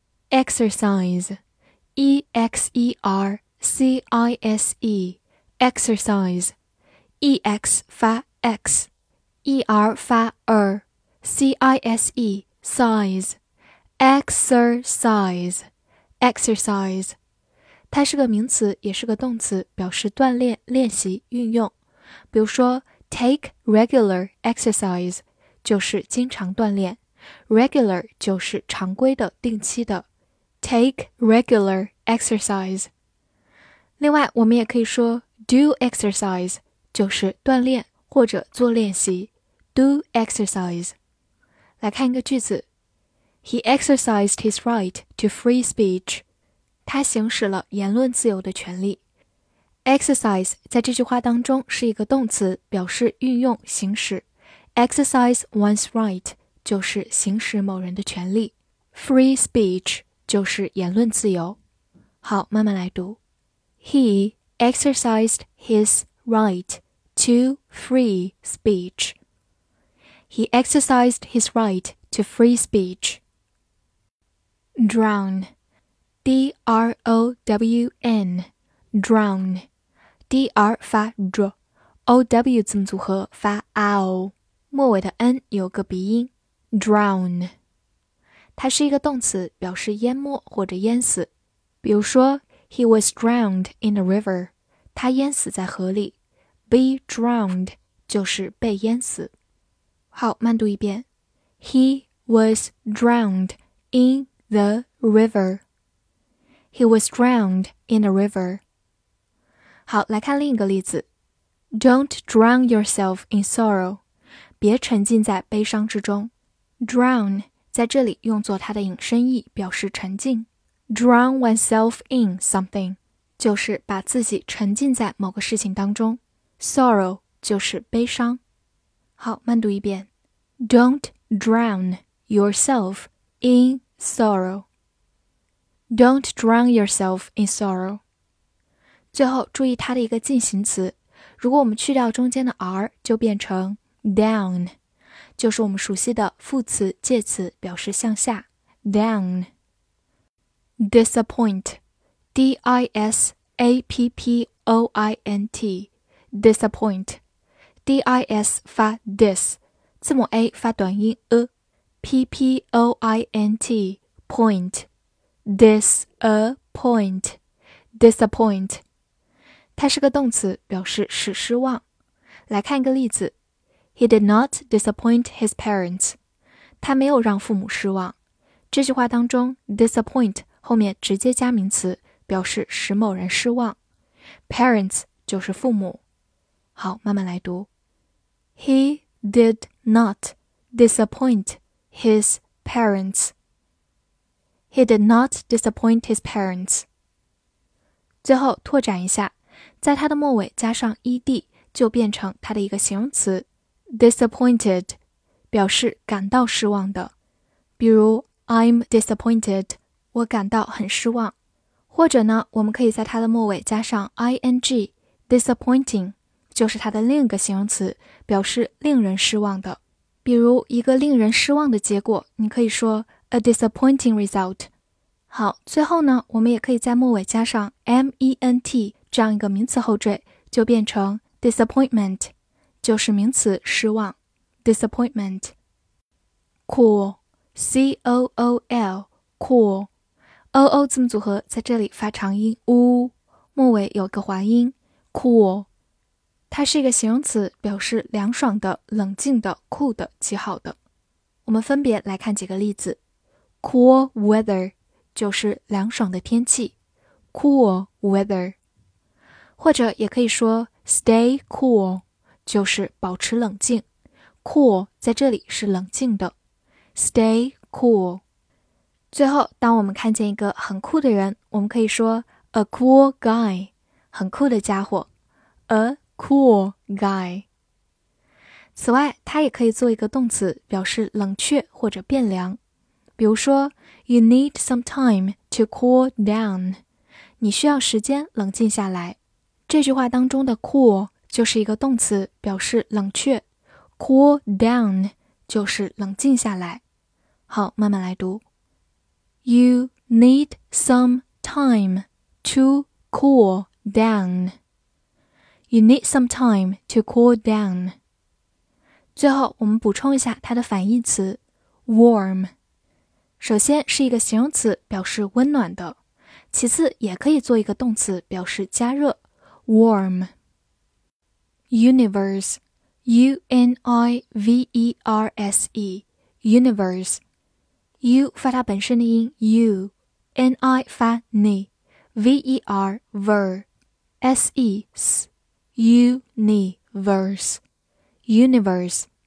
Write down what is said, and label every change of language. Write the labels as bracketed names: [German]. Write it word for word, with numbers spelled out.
[English] Exercise, E X E R C I S E, exercise, E X 发 X, E R 发 R, C I S E, size, exercise, exercise. [Chinese] 它是个名词，也是个动词，表示锻炼、练习、运用。比如说 [English] take regular exercise [Chinese] 就是经常锻炼， regular 就是常规的、定期的。 [English] Take regular exercise. [Chinese] 另外，我们也可以说 [English] do exercise [Chinese] 就是锻炼或者做练习。 [English] Do exercise. [Chinese] 来看一个句子。 [English] He exercised his right to free speech. [Chinese] 他行使了言论自由的权利。Exercise 在这句话当中是一个动词，表示运用、行使。 [English] Exercise one's right [Chinese] 就是行使某人的权利。 Free speech就是言论自由。好，慢慢来读。 [English] He exercised his right to free speech. He exercised his right to free speech. Drown, D R O W N, drown, D R 发 dr, O W [Chinese] 字母组合发 ao， 末尾的 n 有个鼻音。 [English] Drown. [Chinese] 它是一个动词，表示淹没或者淹死。比如说 [English] He was drowned in the river. [Chinese] 他淹死在河里。 [English] Be drowned [Chinese] 就是被淹死。好，慢读一遍。 [English] He was drowned in the river. He was drowned in the river. [Chinese] 好，来看另一个例子。 [English] Don't drown yourself in sorrow. [Chinese] 别沉浸在悲伤之中。 Drown在这里用作它的引申义，表示沉浸。 [English] Drown oneself in something [Chinese] 就是把自己沉浸在某个事情当中。 Sorrow 就是悲伤。好，慢读一遍。 [English] Don't drown yourself in sorrow. Don't drown yourself in sorrow. [Chinese] 最后注意它的一个进行词，如果我们去掉中间的 r 就变成 down。就是我们熟悉的副词、介词，表示向下。 [English] Down. Disappoint, D I S A P P O I N T, disappoint, D I S 发 dis, [Chinese] 字母 a 发短音 e, [English] P P O I N T, point, disappoint, disappoint. [Chinese] 它是个动词，表示使失望。来看一个例子。 [English] He did not disappoint his parents. [Chinese] 他没有让父母失望。这句话当中 disappoint 后面直接加名词，表示使某人失望。 Parents 就是父母。好，慢慢来读。 [English] He did not disappoint his parents. He did not disappoint his parents. [Chinese] 最后拓展一下，在它的末尾加上 ed 就变成它的一个形容词。 Disappointed 表示感到失望的，比如 [English] I'm disappointed [Chinese] 我感到很失望，或者呢，我们可以在它的末尾加上 ing disappointing 就是它的另一个形容词，表示令人失望的。比如一个令人失望的结果，你可以说 [English] a disappointing result。 [Chinese] 好，最后呢，我们也可以在末尾加上 ment 这样一个名词后缀，就变成 disappointment就是名词失望 disappointment。 [English] Cool, C O O L, cool, [Chinese] O O 字母组合在这里发长音 U， 末尾有个滑音 [English] cool。 [Chinese] 它是一个形容词，表示凉爽的、冷静的、酷的、极好的。我们分别来看几个例子。 [English] Cool weather [Chinese] 就是凉爽的天气。 [English] Cool weather。 [Chinese] 或者也可以说 [English] stay cool [Chinese] 就是保持冷静。 Cool 在这里是冷静的。 [English] Stay cool。 [Chinese] 最后当我们看见一个很酷的人，我们可以说 [English] A cool guy [Chinese] 很酷的家伙。 [English] a cool guy。 [Chinese] 此外，它也可以做一个动词，表示冷却或者变凉。比如说 [English] You need some time to cool down， [Chinese] 你需要时间冷静下来。这句话当中的 cool 就是一个动词，表示冷却， cool down 就是冷静下来。好，慢慢来读。 [English] You need some time to cool down. You need some time to cool down. [Chinese] 最后我们补充一下它的反义词 warm。首先是一个形容词，表示温暖的，其次也可以做一个动词，表示加热 warm。 [English] Universe, U N I V E R S E, Universe, U [Chinese] 发它本身的音 [English] U, N I 发 N, V E R, Ver, S E, S, Universe, Universe.